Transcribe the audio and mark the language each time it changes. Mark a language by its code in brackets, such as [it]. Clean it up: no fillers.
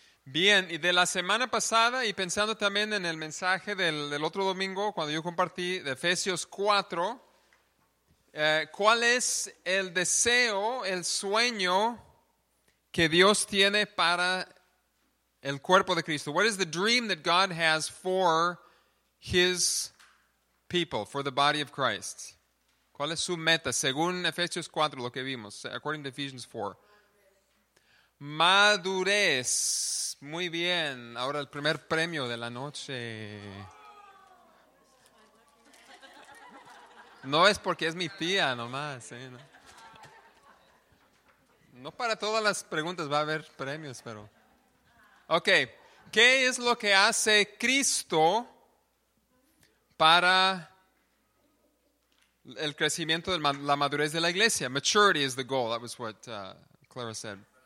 [es] Bien, y de la semana pasada, y pensando también en el mensaje del otro domingo, cuando yo compartí de Efesios 4, ¿cuál es el deseo, el sueño que Dios tiene para el cuerpo de Cristo? [en] What is the dream that God has for His people, for the body of Christ? [es] ¿Cuál es su meta? Según Efesios 4, lo que vimos, according to Ephesians 4. Madurez. Muy bien. Ahora el primer premio de la noche. No es porque es mi tía nomás, ¿eh? No. No para todas las preguntas va a haber premios, pero... Ok, ¿qué es lo que hace Cristo para el crecimiento de la madurez de la iglesia? [en] Maturity is the goal, that was what Clara said.